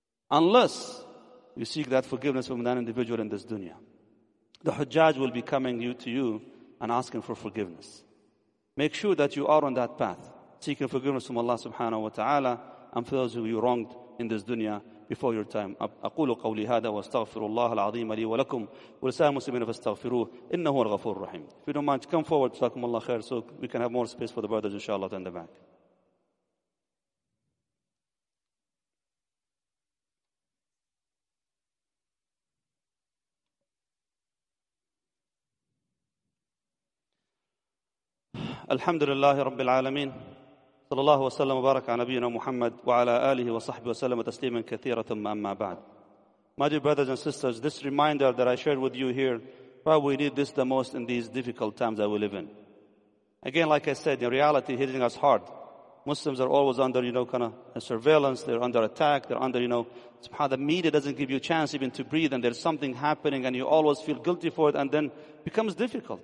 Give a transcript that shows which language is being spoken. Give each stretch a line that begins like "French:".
English: Unless you seek that forgiveness from that individual in this dunya, the Hujjaj will be coming to you and asking for forgiveness. Make sure that you are on that path, seeking forgiveness from Allah subhanahu wa ta'ala and for those who you wronged in this dunya before your time.
Arabic: أقول قولي هذا واستغفر الله العظيم لي ولكم ولسائر المسلمين فاستغفروه إنه هو الغفور الرحيم.
English: If you don't mind, come forward,
Arabic: جزاكم الله خير,
English: so we can have more space for the brothers, inshallah, in the back.
Arabic: الحمد لله رب العالمين. صلى الله وسلم وبارك على نبينا محمد وعلى آله وصحبه وسلم تسليما كثيرا ثم أما بعد.
English: My dear brothers and sisters, this reminder that I shared with you here, probably we need this the most in these difficult times that we live in. Again, like I said, in reality, hitting us hard. Muslims are always under, you know, kind of a surveillance. They're under attack. They're under, you know, how the media doesn't give you a chance even to breathe, and there's something happening and you always feel guilty for it, and then it becomes difficult.